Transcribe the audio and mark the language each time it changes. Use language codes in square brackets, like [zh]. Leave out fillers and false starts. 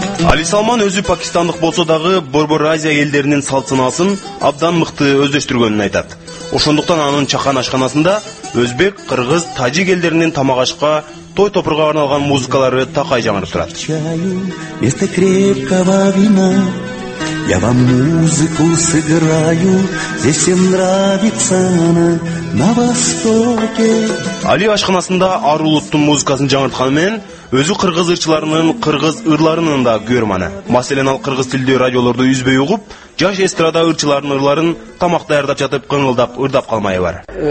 [ky] Али Салман өзү пакистандык болсо дагы Борбор Азия элдеринин салтынасын абдан мыкты өздөштүргөнүн айтат. Ошондуктан анын чакан ашканасында өзбек, кыргыз, тажик элдеринин тамак ашка той топурга арналган музыкалары такай жаңырып турат. [ru] Вместо крепкого вина я вам музыку сыграю, здесь всем нравится она на востоке. [ky] Али ашканасында ар улуттун музыкасын жаңыртканы менен өзү кыргыз ырчыларынын, кыргыз ырларынын да көрмөнү. Маселен, ал кыргыз тилдүү радиолорду үзбөй угуп, жаш эстрада ырчыларынын ырларын тамак даярдап жатып, кыңылдап, ырдап калмай бар.